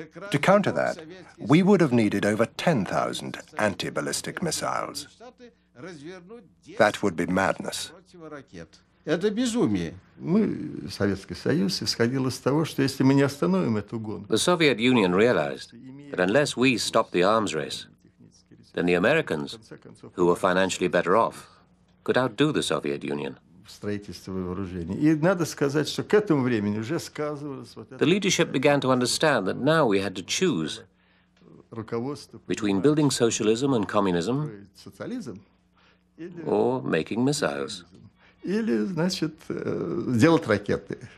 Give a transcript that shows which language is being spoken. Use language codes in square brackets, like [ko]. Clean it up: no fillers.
[en] To counter that, we would have needed over 10,000 anti-ballistic missiles. That would be madness. [ru] Это безумие. Мы, Советский Союз, исходило из того, что если мы не остановим эту гонку. [en] The Soviet Union realized that unless we stopped the arms race, then the Americans, who were financially better off, could outdo the Soviet Union. [ru] Строительство вооружений. И надо сказать, что к этому времени уже сказывалось вот это. [en] The leadership began to understand that now we had to choose between building socialism and communism or making missiles. [ru] Или, значит, делать ракеты.